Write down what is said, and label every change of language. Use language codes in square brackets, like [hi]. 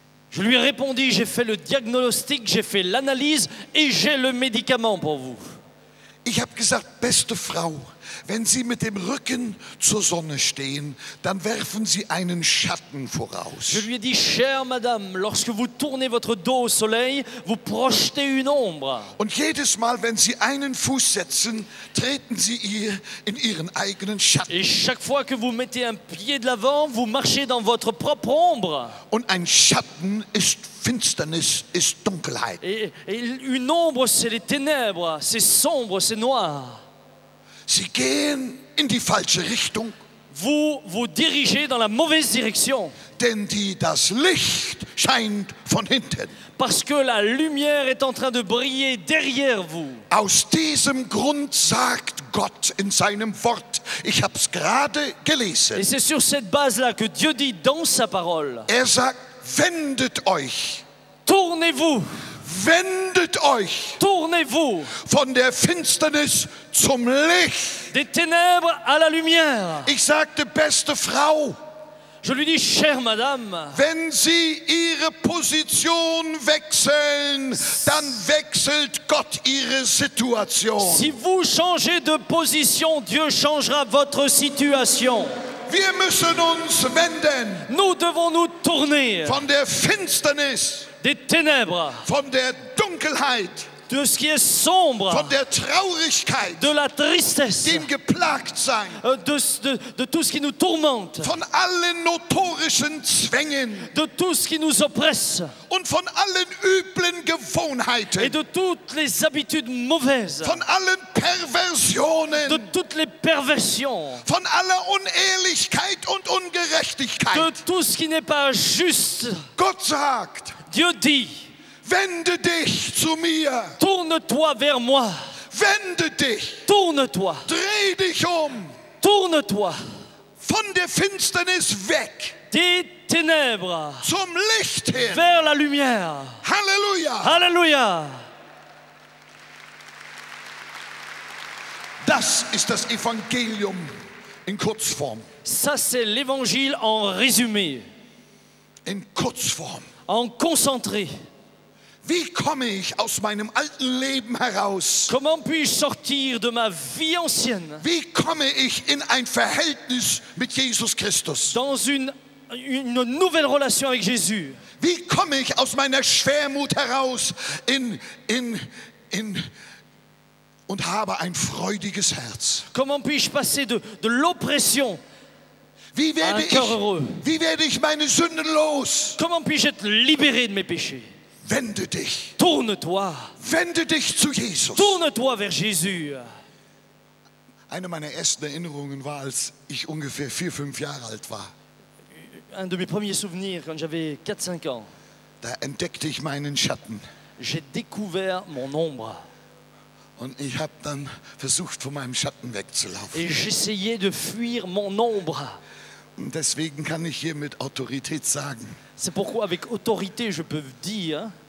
[fr] Je lui répondis, j'ai fait le diagnostic, j'ai fait l'analyse et j'ai le médicament pour vous. [de] Ich habe gesagt, beste Frau, wenn Sie mit dem Rücken zur Sonne stehen, dann werfen Sie einen Schatten voraus. [fr] Je lui ai dit, chère madame, lorsque vous tournez votre dos au soleil, vous projetez une ombre. [de] Und jedes Mal, wenn Sie einen Fuß setzen, treten Sie ihr in Ihren eigenen Schatten. [fr] Et chaque fois que vous mettez un pied de l'avant, vous marchez dans votre propre ombre. [de] Und ein Schatten ist Finsternis, ist Dunkelheit. [fr] Et une ombre, c'est les ténèbres, c'est sombre, c'est noir. [de] Sie gehen in die falsche Richtung. [fr] Vous dirigez dans la mauvaise direction. [de] Denn das Licht scheint von hinten. [fr] Parce que la lumière est en train de briller derrière vous. [de] Aus diesem Grund sagt Gott in seinem Wort, ich hab's gerade gelesen. [fr] Et c'est sur cette base-là que Dieu dit dans sa parole. [de] Er sagt, wendet euch. [fr] Tournez-vous. [de] Wendet euch. [fr] Tournez-vous. [de] Von der Finsternis zum Licht. [fr] Des ténèbres à la lumière. [de] Ich sagte, beste Frau. [fr] Je lui dis, chère madame. [de] Wenn Sie Ihre Position wechseln, dann wechselt Gott Ihre Situation. [fr] Si vous changez de position, Dieu changera votre situation. [de] Wir müssen uns wenden. [fr] Nous devons nous tourner. [de] Von der Finsternis. [fr] Des ténèbres. [de] Von der Dunkelheit. [fr] De ce qui est sombre. [de] Von der Traurigkeit. [fr] De la tristesse. [de] Dem geplagt sein. [fr] De tout ce qui nous tourmente. [de] Von allen notorischen Zwängen. [fr] De tout ce qui nous oppresse. [de] Und von allen üblen Gewohnheiten. [fr] Et de toutes les habitudes mauvaises. [de] Von allen Perversionen. [fr] De toutes les perversions. [de] Von aller Unehrlichkeit und Ungerechtigkeit. [fr] De tout ce qui n'est pas juste. [de] Gott sagt. [fr] Dieu dit, [de] wende dich zu mir. [fr] Tourne-toi vers moi. [de] Wende dich. [fr] Tourne-toi. [de] Dreh dich um. [fr] Tourne-toi. [de] Von der Finsternis weg. [fr] Des ténèbres. [de] Zum Licht hin. [fr] Vers la lumière. [de] Halleluja. [fr] Halleluja. [de] Das ist das Evangelium in Kurzform. [fr] Ça, c'est l'évangile en résumé. [de] In Kurzform. [fr] En concentré. [de] Wie komme ich aus meinem alten Leben heraus? [fr] Comment puis-je sortir de ma vie ancienne? [de] Wie komme ich in ein Verhältnis mit Jesus Christus? [fr] Dans une nouvelle relation avec Jésus. [de] Wie komme ich aus meiner Schwermut heraus in und habe ein freudiges Herz? [fr] Comment puis-je passer de l'oppression? [de] Wie werde [fr] un cœur heureux. [de] Wie werde ich meine Sünden los? [fr] Comment puis-je être libéré de mes péchés? [de] Wende dich. [fr] Tourne-toi. [de] Wende dich zu Jesus. [fr] Tourne-toi vers Jésus. [de] Eine meiner ersten Erinnerungen war, als ich ungefähr 4-5 Jahre alt war. [fr] Un de mes premiers souvenirs quand j'avais 4-5 ans. [de] Da entdeckte ich meinen Schatten. [fr] J'ai découvert mon ombre. [de] Und ich habe dann versucht, von meinem Schatten wegzulaufen. [fr] Et j'essayais de fuir mon ombre. [de] Und deswegen kann ich hier mit Autorität sagen. [fr] C'est pourquoi avec autorité je peux dire.